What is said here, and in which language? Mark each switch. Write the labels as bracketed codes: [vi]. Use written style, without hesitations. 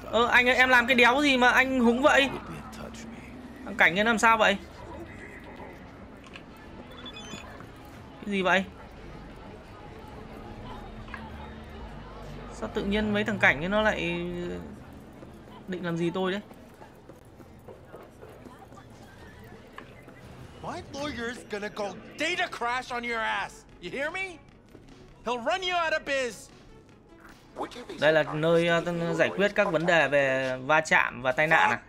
[vi] Anh ơi, em làm cái đéo gì mà anh húng vậy? Cảnh em làm sao vậy? Cái gì vậy? Sao tự nhiên mấy thằng cảnh nó lại định làm gì tôi đấy? [en] My lawyer's gonna go data crash on your ass. You hear me? He'll run you out of biz. [vi] Đây là nơi giải quyết các vấn đề về va chạm và tai nạn.